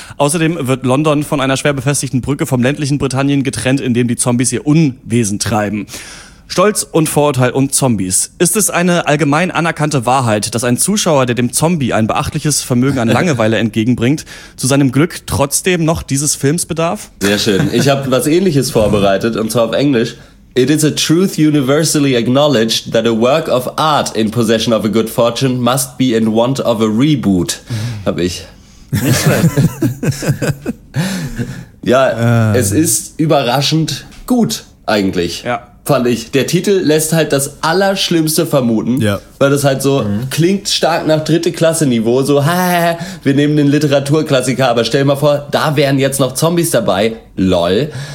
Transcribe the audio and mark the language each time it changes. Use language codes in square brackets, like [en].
[de] Außerdem wird London von einer schwer befestigten Brücke vom ländlichen Britannien getrennt, in dem die Zombies ihr Unwesen treiben. Stolz und Vorurteil und Zombies. Ist es eine allgemein anerkannte Wahrheit, dass ein Zuschauer, der dem Zombie ein beachtliches Vermögen an Langeweile entgegenbringt, zu seinem Glück trotzdem noch dieses Films bedarf? Sehr schön. Ich habe was Ähnliches vorbereitet, und zwar auf Englisch. [en] It is a truth universally acknowledged that a work of art in possession of a good fortune must be in want of a reboot. [de] Hab ich. Ja, es ist überraschend gut eigentlich. Ja. Fand ich. Der Titel lässt halt das Allerschlimmste vermuten, ja, weil das halt so klingt stark nach dritte Klasse Niveau, so wir nehmen den Literaturklassiker, aber stell mal vor, da wären jetzt noch Zombies dabei, lol.